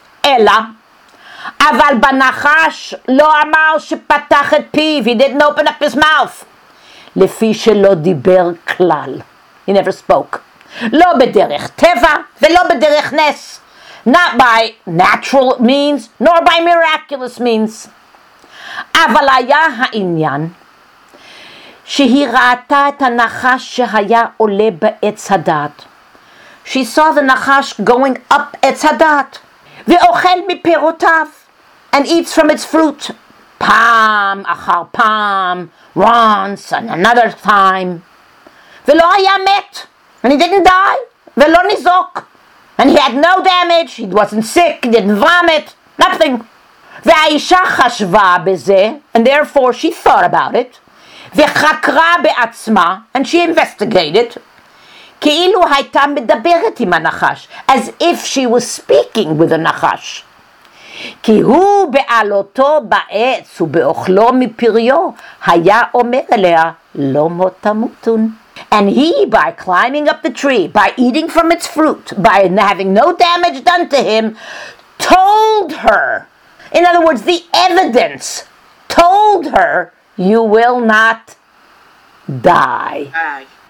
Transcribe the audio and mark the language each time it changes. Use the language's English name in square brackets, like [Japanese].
[Hebrew] Ella, aval banachash lo amar shepatach et piv. [English] He didn't open up his mouth. [Hebrew] Lefi shelo diber klal. [English] He never spoke. [Hebrew] Lo bederech teva velo bederech nes. [English] Not by natural means, nor by miraculous means. [Hebrew] Aval haya ha'inyan. [English] She [Hebrew] ראתה את הנחש שהיה עולה בעץ הדעת. [English] She saw the nachash going up עץ הדעת. [Hebrew] ואוכל מפירותיו. [English] And eats from its fruit. [Hebrew] פעם אחר פעם. [English] Once and another time. [Hebrew] ולא היה מת. [English] And he didn't die. [Hebrew] ולא ניזוק. [English] And he had no damage. He wasn't sick. He didn't vomit. Nothing. [Hebrew] והאישה חשבה בזה. [English] And therefore she thought about it. [Hebrew] וחקרה בעצמה, [English] and she investigated, [Hebrew] כאילו הייתה מדברת עם הנחש, [English] as if she was speaking with the נחש. [Hebrew] כי הוא בעלותו בעץ ובאוכלו מפריו, היה אומר אליה, לא מות תמותון. [English] And he, by climbing up the tree, by eating from its fruit, by having no damage done to him, told her, in other words, the evidence, told her, you will not die.